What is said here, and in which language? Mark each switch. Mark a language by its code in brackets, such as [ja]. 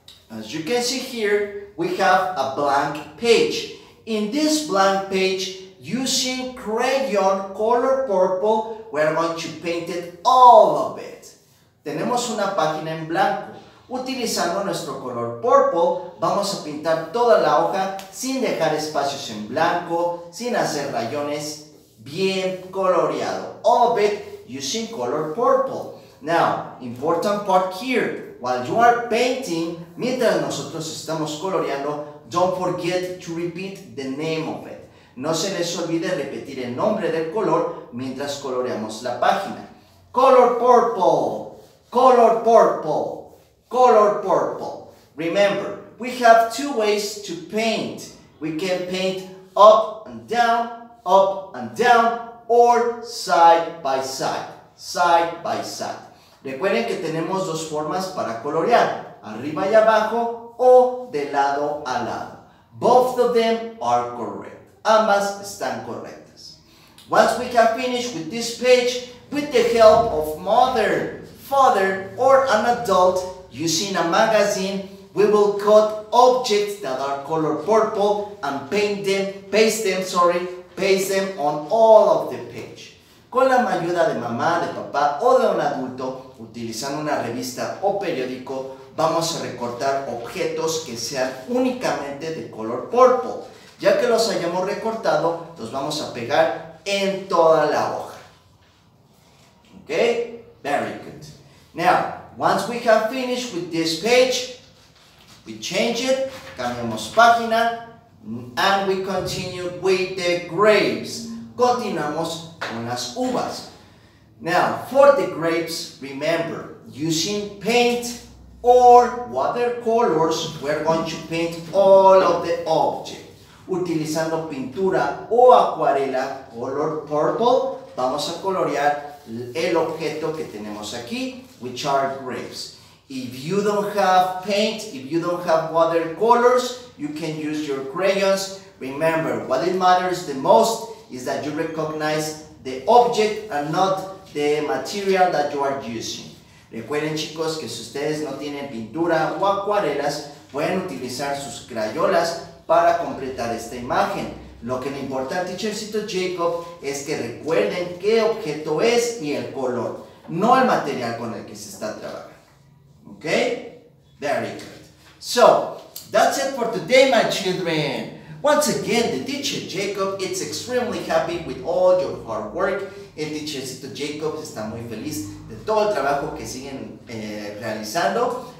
[en] As you can see here, we have a blank page. In this blank page, using crayon color purple, we're going to paint it all of it. [es] Tenemos una página en blanco. Utilizando nuestro color purple, vamos a pintar toda la hoja sin dejar espacios en blanco, sin hacer rayones, bien coloreado. [en] All of it using color purple. Now, important part here. While you are painting, [es] mientras nosotros estamos coloreando, [en] don't forget to repeat the name of it. [es] No se les olvide repetir el nombre del color mientras coloreamos la página. [en] Color purple, color purple, color purple. Remember, we have two ways to paint. We can paint up and down, or side by side, side by side. [es] Recuerden que tenemos dos formas para colorear, arriba y abajo o de lado a lado. [en] Both of them are correct. [es] Ambas están correctas. [en] Once we have finished with this page, with the help of mother, father, or an adult using a magazine, we will cut objects that are color purple and paste them on all of the page. [es] Con la ayuda de mamá, de papá o de un adulto, utilizando una revista o periódico, vamos a recortar objetos que sean únicamente de color purple. Ya que los hayamos recortado, los vamos a pegar en toda la hoja. [en] Okay? Very good. Now, once we have finished with this page, we change it, [es] cambiamos página, [en] and we continue with the grapes. [es] Continuamos con las uvas. [en] Now, for the grapes, remember, using paint or watercolors, we're going to paint all of the objects. [es] Utilizando pintura o acuarela color purple, vamos a colorear el objeto que tenemos aquí, [en] which are grapes. If you don't have paint, if you don't have watercolors, you can use your crayons. Remember, what it matters the most is that you recognize the object and not the material that you are using. [es] Recuerden, chicos, que si ustedes no tienen pintura o acuarelas, pueden utilizar sus crayolas para completar esta imagen. Lo que me importa, teachercito Jacob, es que recuerden qué objeto es y el color, no el material con el que se está trabajando. [en] Okay? Very good. So, that's it for today, my children. Once again, the teacher Jacob is extremely happy with all your hard work. [es] El teachercito Jacob está muy feliz de todo el trabajo que siguen realizando.